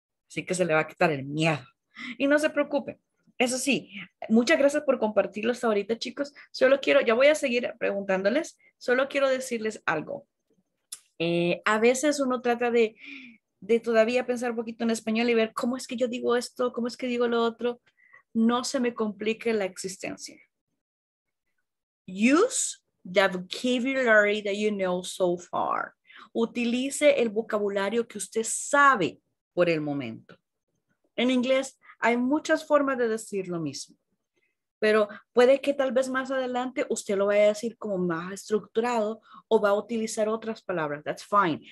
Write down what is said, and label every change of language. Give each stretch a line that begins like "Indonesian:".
Spanish: Así que se le va a quitar el miedo. Y no se preocupen. Eso sí, muchas gracias por compartirlo hasta ahorita, chicos. Solo quiero, ya voy a seguir preguntándoles. Solo quiero decirles algo. A veces uno trata de todavía pensar un poquito en español y ver cómo es que yo digo esto, cómo es que digo lo otro. No se me complique la existencia.
English: Use the vocabulary that you know so far.
Spanish: Utilice el vocabulario que usted sabe por el momento. En inglés hay muchas formas de decir lo mismo, pero puede que tal vez más adelante usted lo vaya a decir como más estructurado o va a utilizar otras palabras.
English: That's fine.